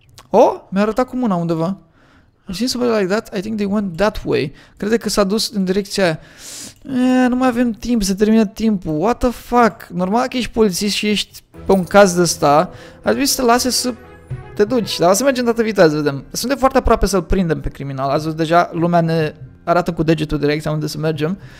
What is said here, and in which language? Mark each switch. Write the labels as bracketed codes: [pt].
[ro] Oh, mi-a arătat cu mâna undeva. [en] I've seen somebody like that. I think they went that way. [ro] Crede că s-a dus în direcția aia. Nu mai avem timp, se termină timpul. [en] What the fuck? [ro] Normal că ești polițist și ești pe un caz de ăsta. Ar trebui să te lase să te duci. Dar o să mergem data viitoare, să vedem. Suntem foarte aproape să-l prindem pe criminal. Azi deja lumea ne arată cu degetul direcția unde să mergem.